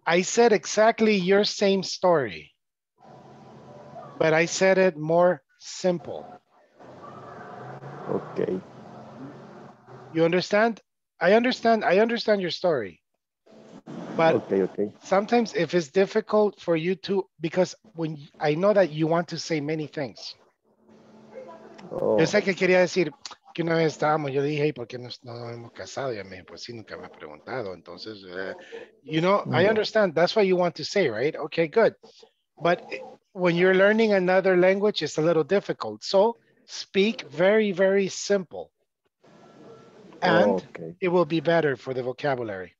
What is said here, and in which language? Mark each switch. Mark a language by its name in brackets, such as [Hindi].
[English] I said exactly your same story, but I said it more simple. Okay. You understand? I understand your story. But okay. Sometimes if it's difficult for you to, because when I know that you want to say many things. Oh. [Spanish] Yo sé que quería decir que una vez estábamos, yo dije, ¿y por qué no nos hemos casado? Y me dijo, pues sí, nunca me ha preguntado. [English] Entonces, you know, I understand. That's what you want to say, right? Okay, good. But when you're learning another language, it's a little difficult. So speak very, very simple. And it will be better for the vocabulary.